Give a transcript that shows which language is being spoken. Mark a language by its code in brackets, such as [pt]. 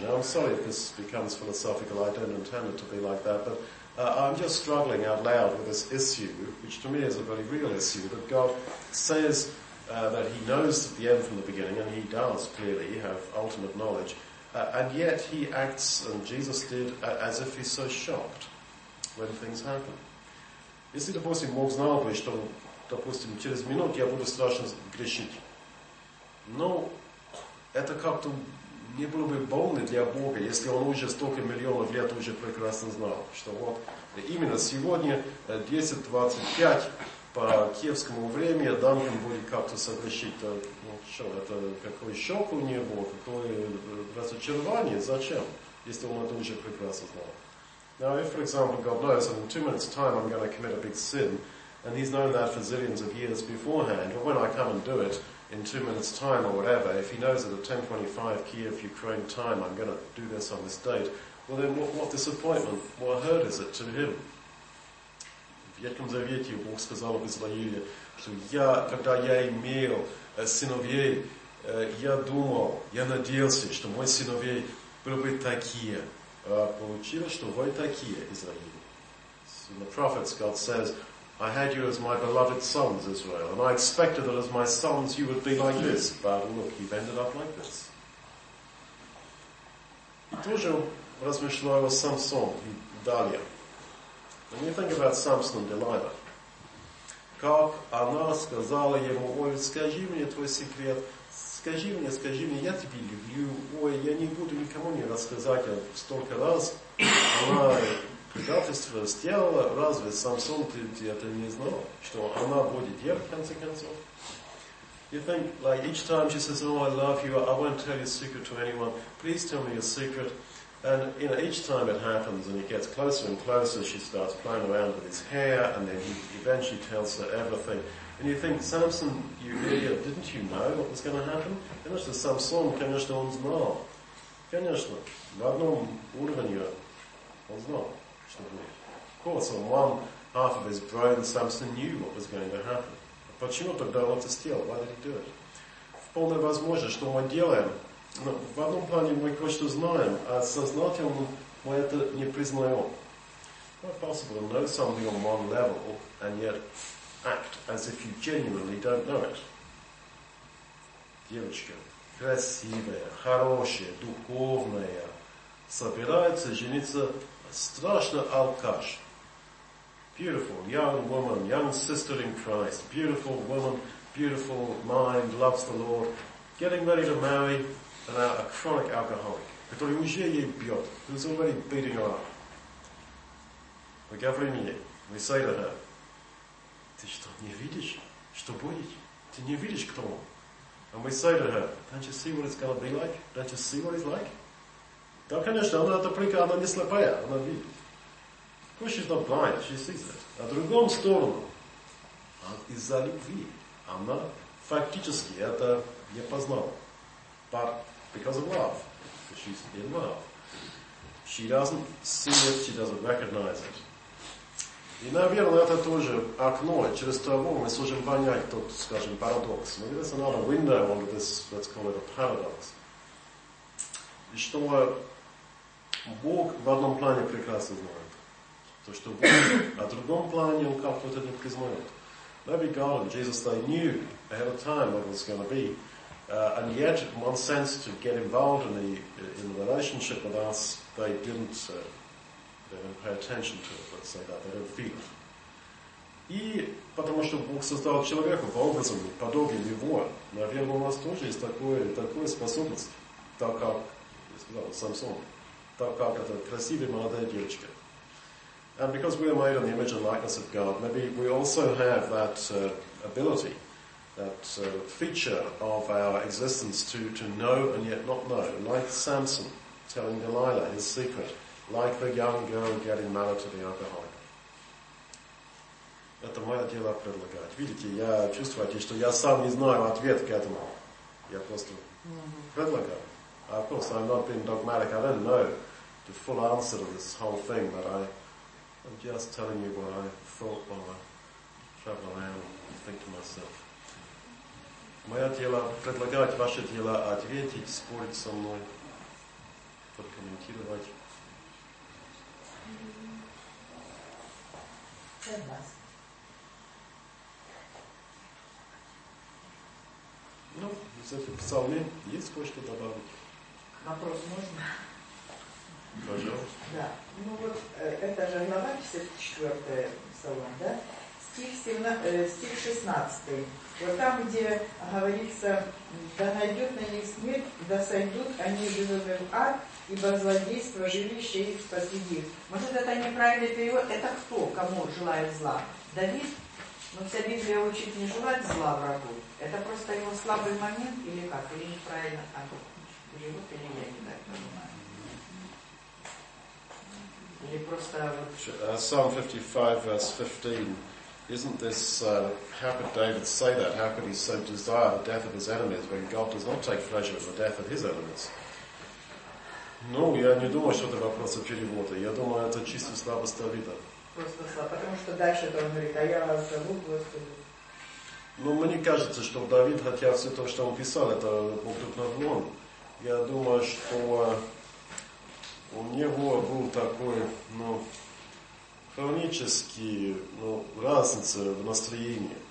[en] Now I'm sorry if this becomes philosophical, I don't intend it to be like that, but I'm just struggling out loud with this issue, which to me is a very real issue, that God says that he knows the end from the beginning, and he does clearly have ultimate knowledge, and yet he acts, and Jesus did, as if he's so shocked when things happen. [ru] Если, допустим, Бог знал бы, что, допустим, через минуту я буду страшно грешить, но это как-то не было бы больно для Бога, если он уже столько миллионов лет уже прекрасно знал, что вот именно сегодня 10:25 по киевскому времени Данкан будет как-то согрешить. Да, ну что, это какой шок у него, какое разочарование, зачем, если он это уже прекрасно знал. [en] Now, if, for example, God knows that in 2 minutes' time I'm going to commit a big sin, and he's known that for zillions of years beforehand, but when I come and do it in 2 minutes' time or whatever, if he knows that at 10:25 Kiev, Ukraine time, I'm going to do this on this date, well, then what disappointment, what hurt is it to him? [ru] Вьетком Завете Бог сказал об Израиле, что я, когда я имел сыновей, я думал, я надеялся, что мои сыновей были бы такие. Получилось, что вы такие, Израиль. [en] So in the prophets, God says, I had you as my beloved sons, Israel, and I expected that as my sons you would be like this. But look, you've ended up like this. [ru] И тоже размышляю о Самсоне и Далия. [en] When you think about Samson and Delilah, [ru] как она сказала ему, ой, скажи мне твой секрет, скажи мне, я тебя люблю, ой, я не буду никому не рассказать, я столько раз, она предательство сделала, разве Самсон ты это не знал, что она будет делать, в конце концов? [en] You think, like, each time she says, oh, I love you, I won't tell your secret to anyone, please tell me your secret. And, you know, each time it happens and it gets closer and closer, she starts playing around with his hair and then he eventually tells her everything. And you think, Samson, you idiot, didn't you know what was going to happen? [ru] Конечно, Самсон, конечно, он знал. Конечно, в одном уровне он знал, что будет. [en] Of course, on one half of his brain, Samson knew what was going to happen. [ru] Почему тогда он это сделал? [en] Why did he do it? [ru] Вполне возможно, что мы делаем. Но в одном плане мы кое-что знаем, а сознательно мы это не признаем. [en] Quite possible to know something on one level, and yet act as if you genuinely don't know it. [ru] Девочки красивые, хорошие, духовные, собираются жениться, страшно алкаш. [en] Beautiful young woman, young sister in Christ, beautiful woman, beautiful mind, loves the Lord, getting ready to marry a chronic alcoholic, [ru] который уже ей бьет, [en] who's already beating her up. [ru] Мы говорим ей, [en] we say to her, [ru] ты что, не видишь, что будет? Ты не видишь, кто он? [en] And we say to her, don't you see what it's going to be like? Don't you see what he's like? [ru] Да, конечно, она это прекрасно, она не слепая, она видит. [en] Of course she's not blind, she sees it. [ru] На другом сторону, из-за любви, она фактически это не познала. [en] But because of love, because she's in love, she doesn't see it, she doesn't recognize it. [ru] И, наверное, это тоже окно, через того мы сможем понять тот, скажем, парадокс. [en] Maybe there's another window onto this, let's call it a paradox. [ru] И что Бог в одном плане прекрасно знает. То, что Бог на другом плане, Он как-то это не признает. [en] Maybe God and Jesus, they knew ahead of time what it was going to be. And yet, in one sense, to get involved in the relationship with us, they didn't pay attention to it, let's say that. They didn't feel it. [ru] И потому что Бог создал человека по образу, подобием Его, наверное, у нас тоже есть такое способность, так как, я сказал, Самсон, так как это красивая молодая девочка. [en] And because we are made in the image and likeness of God, maybe we also have that ability, that feature of our existence to know and yet not know. Like Samson telling Delilah his secret, like the young girl getting married to the alcoholic. [ru] Это мое дело предлагать. Видите, я чувствую, что я сам не знаю ответ к этому. Я просто предлагаю. [en] Of course, I'm not being dogmatic. I don't know the full answer to this whole thing, but I'm just telling you what I thought while I travel around and think to myself. [ru] Моя тело предлагать, ваше тело ответить, спорить со мной, прокомментировать. Ну, из этих псалмин есть кое-что добавить? Вопрос можно? Пожалуйста. Да. Ну вот, это же глава 54 псалом, да? Стих 16. Вот там, где говорится, да найдет на них смерть, да сойдут они в ад, ибо злодейство жилище их посреди. Может, это неправильный перевод? Это кто, кому желает зла? Давид? Но вся Библия учит не желать зла врагу. Это просто его слабый момент или как? Или неправильно так перевод, или я не так понимаю? [en] Psalm 55 verse 15, isn't this, how could David say that? How could he so desire the death of his enemies when God does not take pleasure in the death of his enemies? [ru] Ну, я не думаю, что это вопрос о переводе. Я думаю, это чисто слабость Давида. Просто слабо, потому что дальше это он говорит, а я вас зову, Господи. Ну, мне кажется, что Давид, хотя все то, что он писал, это Бог тут наблюдал. Я думаю, что... У него был такой, ну, хронический, ну, разница в настроении.